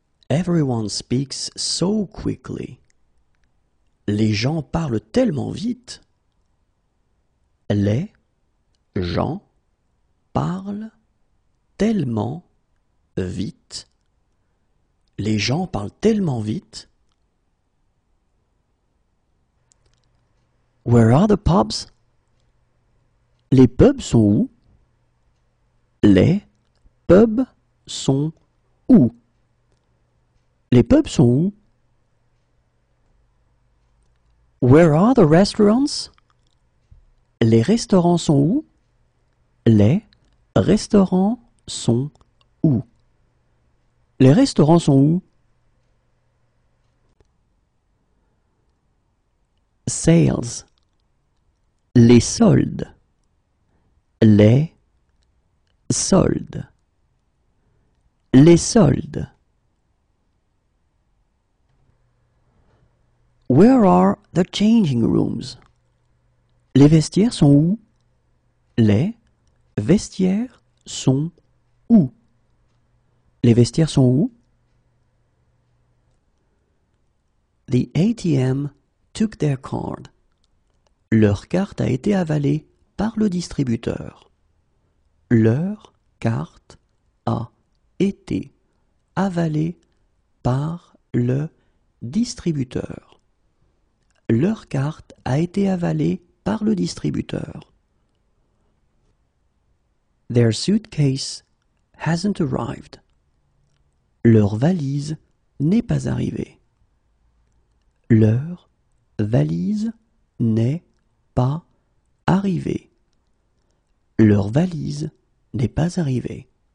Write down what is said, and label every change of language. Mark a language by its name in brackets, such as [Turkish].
[English] Everyone speaks so quickly. [French] Les gens parlent tellement vite. Les gens parlent tellement vite. Les gens parlent tellement vite. [English] Where are the pubs? [French] Les pubs sont où? Les pubs sont où? Les pubs sont où? [English] Where are the restaurants? [French] Les restaurants sont où? Les restaurants sont où? Les restaurants sont où? [English] Sales. [French] Les soldes. Les soldes. Les soldes. [English] Where are the changing rooms? [French] Les vestiaires sont où? Les vestiaires sont où? Les vestiaires sont où? [English] The ATM took their card. [French] Leur carte a été avalée par le distributeur. Leur carte a été avalée par le distributeur. Leur carte a été avalée par le distributeur. [English] Their suitcase hasn't arrived. [French] Leur valise n'est pas arrivée. Leur valise n'est pas arrivée. Leur valise n'est pas arrivée.